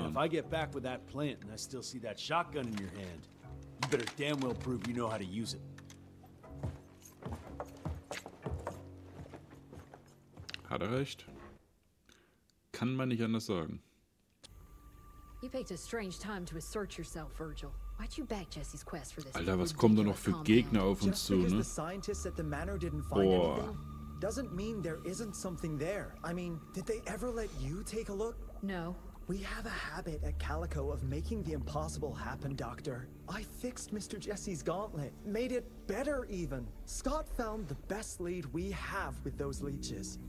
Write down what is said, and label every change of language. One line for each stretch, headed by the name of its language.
English: And if I get back with that plant and I still see that shotgun in your hand, you better damn well prove you know how to use it.
German: Hat recht. Kann man nicht anders sagen.
English: You picked a strange time to assert yourself, Virgil. Why'd you back Jesse's quest for this?
German: Alter, was kommt da noch für Gegner auf uns zu, ne?
English: The scientists at the manor didn't find Boah. Anything. Doesn't mean there isn't something there. I mean, did they ever let you take a look? No. We have a habit at Calico of making the impossible happen, Doctor. I fixed Mr. Jesse's gauntlet, made it better even. Scott found the best lead we have with those leeches.